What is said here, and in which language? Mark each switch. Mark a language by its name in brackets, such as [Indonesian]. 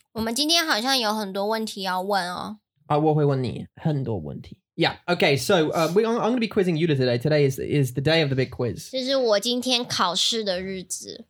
[Chinese] 我们今天好像有很多问题要问哦。我会问你很多问题。 [English] Yeah, okay, so I'm going to be quizzing Eula today. Today is the day of the big quiz. [Chinese] 这是我今天考试的日子。